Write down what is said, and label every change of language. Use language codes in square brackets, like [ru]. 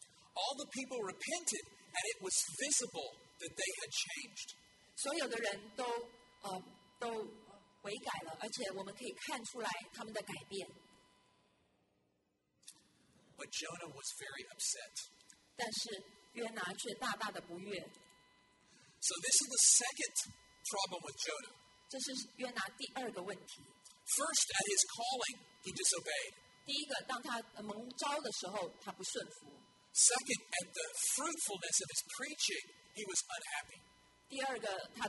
[en] all the people repented, and it was visible that they had changed. [zh] 所有的人都悔改了,而且我们可以看出来他们的改变。 [en] But Jonah was very upset. [zh] 但是约拿却大大的不悦。 [en] So this is the second problem with Jonah. [zh] 这是约拿第二个问题。 [en] First, at his calling, he disobeyed. [zh] 第一个,当他蒙召的时候,他不顺服。 [en] Second, at the fruitfulness of his preaching, he was unhappy.